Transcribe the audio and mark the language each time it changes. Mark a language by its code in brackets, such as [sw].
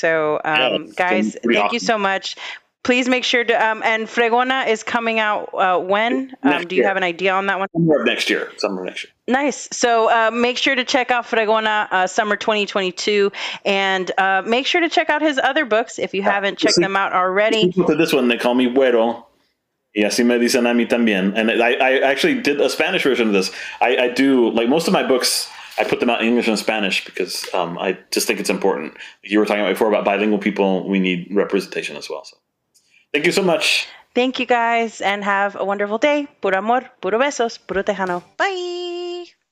[en] So guys, thank you so much. Please make sure to, and Fregona is coming out when? Do you have an idea on that one? Summer of next year. Nice. So make sure to check out Fregona Summer 2022, and make sure to check out his other books if you haven't checked them out already. This one, they call me Güero, [es] y así me dicen a mí también. [en] And I actually did a Spanish version of this. I do, like most of my books, I put them out in English and Spanish because I just think it's important. You were talking before about bilingual people. We need representation as well, so. Thank you so much. Thank you, guys, and have a wonderful day. [es] Puro amor, puro besos, puro tejano. [en] Bye.